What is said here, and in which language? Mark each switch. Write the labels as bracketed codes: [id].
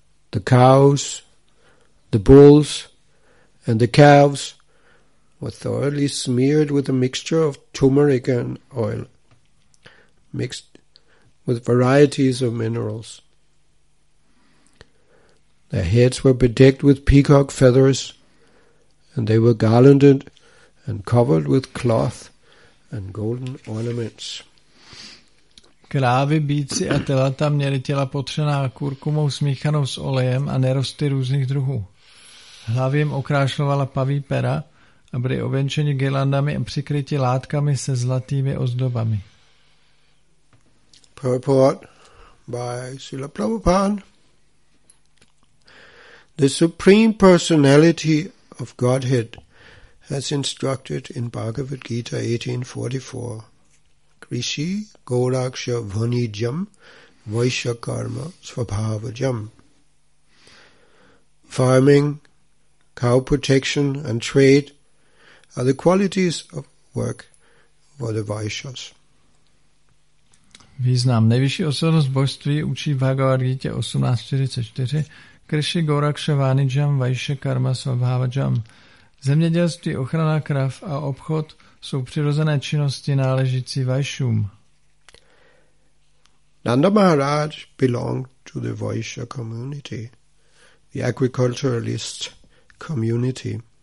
[en] The cows, the bulls, and the calves were thoroughly smeared with a mixture of turmeric and oil, mixed with varieties of minerals. Their heads were bedecked with peacock feathers, and they were garlanded and covered with cloth and golden ornaments. [cs] Krávy, býci a telata měly těla potřená kurkumou smíchanou s olejem a nerosty různých druhů. Hlavy jim okrášlovala paví pera a byly ověnčeni girlandami a přikryti látkami se zlatými ozdobami. [en] Purport by Srila Prabhupada. The Supreme Personality of Godhead has instructed in Bhagavad Gita 18:44. [sa] Rishi Golaksha Vanijam Vaishakarma Svabhavajam. [en] Farming, cow protection and trade are the qualities of work for the Vaishyas. [cs] Význam. Nejvyšší osobnost božství učí Bhagavad Gita 18:44. [sa] Rishi Golaksha Vanijam Vaishakarma Svabhavajam. [cs] Zemědělství, ochrana krav a obchod jsou přirozené činnosti náležící Vaishům. [en] Nanda Maharaj belonged to the Vaishya community, the agriculturalist community.